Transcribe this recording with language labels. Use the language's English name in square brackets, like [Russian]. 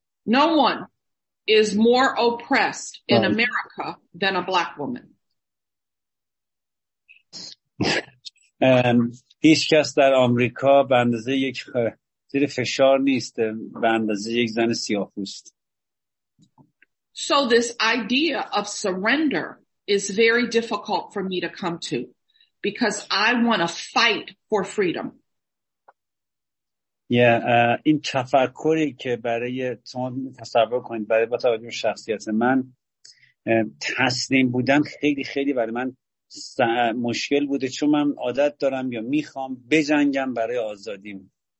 [English] No one is more oppressed in America than a black woman. [Persian] هیچ کس در آمریکا به اندازه یک زیر فشار نیست به اندازه یک زن سیاه‌پوست. [English] So this idea of surrender is very difficult for me to come to because I want to fight for freedom. [Persian] این تفکری که برای شما تصور کنید، برای با توجه به شخصیت من تسلیم بودن خیلی خیلی برای من مشکل بوده، چون من عادت دارم یا میخوام بجنگم برای آزادیم.